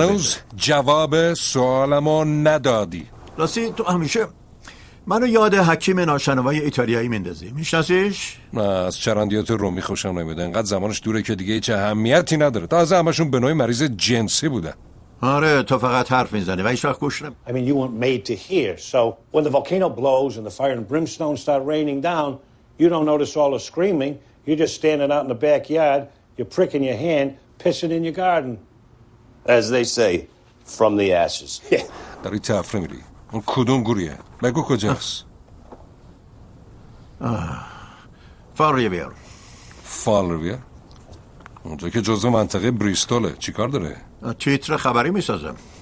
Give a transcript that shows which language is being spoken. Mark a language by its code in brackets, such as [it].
[fa] رو بده. جواب سوالمو ندادی. راستی تو همیشه منو یاد حکیم ناشنوای ایتالیایی میندازی. میشناسیش؟ نه، از چرندیات رومی خوشم نمیاد. انقدر زمانش دوره که دیگه هیچ اهمیتی نداره. تازه همشون به نوعی مریض جنسی بودن. آره تو فقط حرف میزنی و هیچ وقت گوش نم. [en] I mean you weren't made to hear. So when the volcano blows and the fire and brimstone start raining down, you don't notice all the screaming. You're just standing out in the backyard, you're pricking your hand, pissing in your garden. As they say, from the ashes. [fa] داری تفره میری. اون کدوم گوریه؟ بگو کجاست؟ فالریویر. فالریویر؟ اونجا که جزء منطقه بریستوله. چی کار داره؟ تیتر خبری میسازم.